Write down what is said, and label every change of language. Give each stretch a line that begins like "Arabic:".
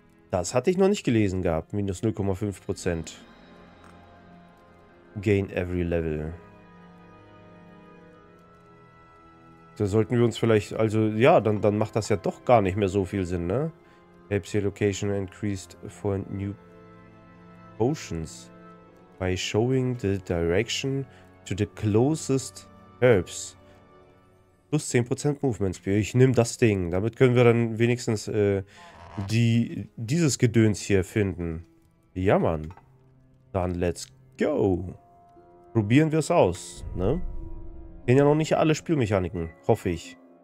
German: Das hatte ich noch nicht gelesen gehabt. Minus 0,5%
English: Gain every level.
German: Da sollten wir uns vielleicht, also ja, dann macht das ja doch gar nicht mehr so viel Sinn, ne?
English: Helps your location increased for new potions by showing the direction to the closest herbs. Plus 10% Movement Speed.
German: Ich nehme das Ding. Damit können wir dann wenigstens dieses Gedöns hier finden. Ja, Mann. Dann
English: let's go.
German: Probieren wir es aus. Ne? Sind ja noch nicht alle Spielmechaniken. Hoffe ich.